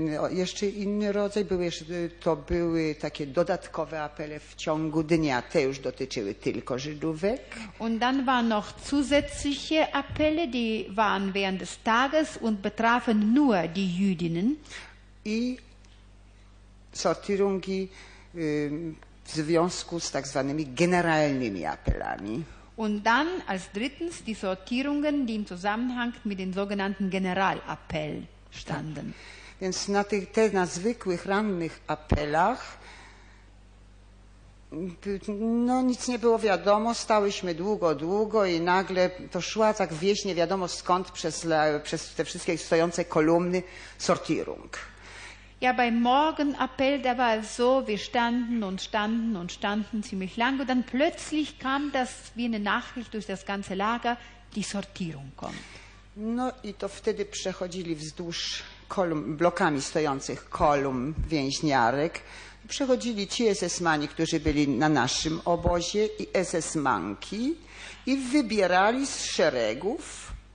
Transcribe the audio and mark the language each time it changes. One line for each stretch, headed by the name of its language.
Polish: Jeszcze inny rodzaj był, to były takie dodatkowe apele w ciągu dnia. Te już dotyczyły tylko Żydówek.
German: Und dann waren noch zusätzliche Appelle, die waren während des Tages und betrafen nur die Jüdinnen.
Polish: I sortierungi w związku z tak zwanymi generalnymi apelami.
German: Und dann als drittens die Sortierungen, die im Zusammenhang mit dem sogenannten Generalappell standen.
Polish: Więc na tych te na zwykłych rannych apelach no nic nie było wiadomo, stałyśmy długo i nagle to szła tak wieść nie wiadomo skąd przez te wszystkie stojące kolumny Sortierung.
German: Ja, beim Morgenappell, da war es so, wir standen ziemlich lang und dann plötzlich kam das wie eine Nachricht durch das ganze Lager, die Sortierung kommt.
Polish: No i to wtedy przechodzili wzdłuż blokami stojących kolumn więźniarek. Przechodzili ci SS-mani, którzy byli na naszym obozie i SS-manki i wybierali z szeregów.